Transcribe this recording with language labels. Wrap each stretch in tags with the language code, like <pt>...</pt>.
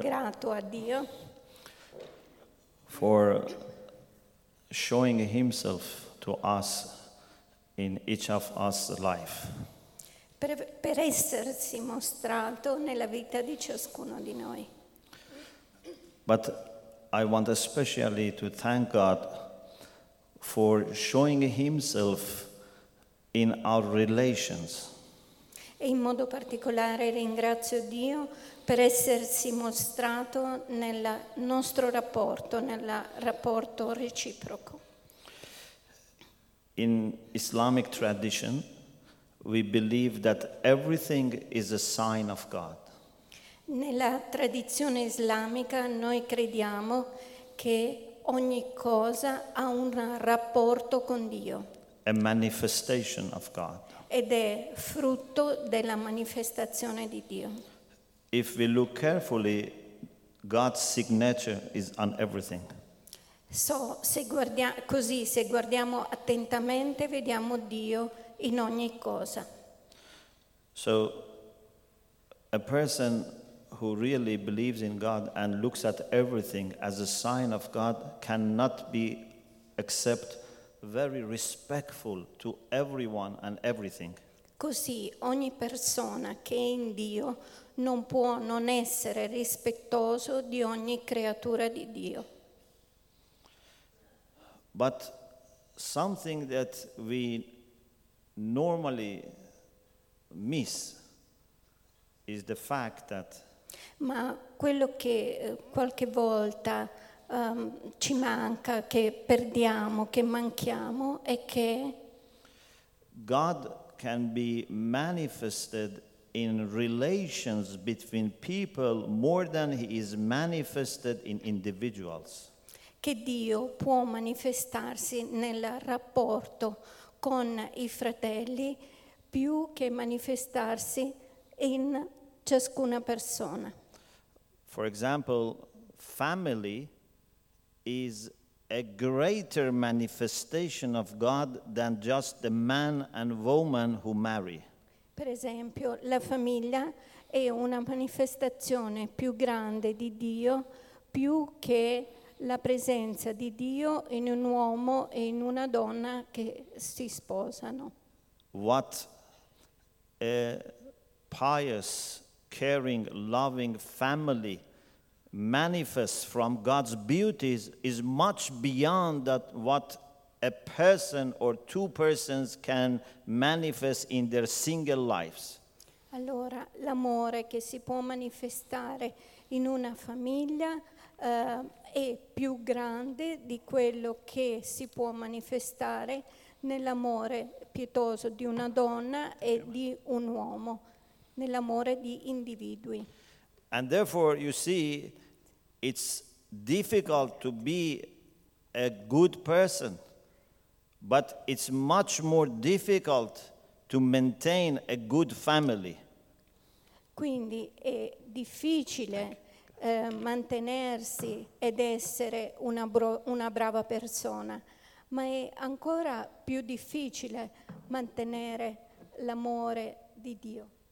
<it>Sono grato a Dio.</it> <en>For showing Himself to us. In each of us life.</en> <it>per essersi mostrato nella vita di ciascuno di noi.</it> <en>But I want especially to thank God for showing himself in our relations.</en> <it>E in modo particolare ringrazio Dio per essersi mostrato nel nostro rapporto, nel rapporto reciproco.</it> <en>In Islamic tradition, we believe that everything is a sign of God.</en> <it>Nella tradizione islamica noi crediamo che ogni cosa ha un rapporto con Dio.</it> <en>A manifestation of God.</en> <it>Ed è frutto della manifestazione di Dio.</it> <en>If we look carefully, God's signature is on everything.</en> <it>So, se guardiamo così, se guardiamo attentamente, vediamo Dio in ogni cosa.</it> <en>So, a person who really believes in God and looks at everything as a sign of God cannot be except very respectful to everyone and everything.</en> <it>Così, ogni persona che è in Dio non può non essere rispettoso di ogni creatura di Dio.</it> <en>But something that we normally miss is the fact that.</en> <it>Ma quello che qualche volta ci manca, che perdiamo, che manchiamo, è che</it> <en>God can be manifested in relations between people more than he is manifested in individuals.</en> <it>Che Dio può manifestarsi nel rapporto con i fratelli più che manifestarsi in ciascuna persona.</it> <en>For example, family is a greater manifestation of God than just the man and woman who marry.</en> <it>Per esempio, la famiglia è una manifestazione più grande di Dio più che la presenza di Dio in un uomo e in una donna che si sposano.</it> <en>What a pious, caring, loving family manifests from God's beauties is much beyond that what a person or two persons can manifest in their single lives.</en> <it>Allora, l'amore che si può manifestare in una famiglia è più grande di quello che si può manifestare nell'amore pietoso di una donna e di un uomo, nell'amore di individui.</it> <en>And therefore, you see, it's difficult to be a good person, but it's much more difficult to maintain a good family.</en> <it>Quindi è difficile mantenersi ed essere una brava persona, ma è ancora più difficile mantenere l'amore di Dio.</it>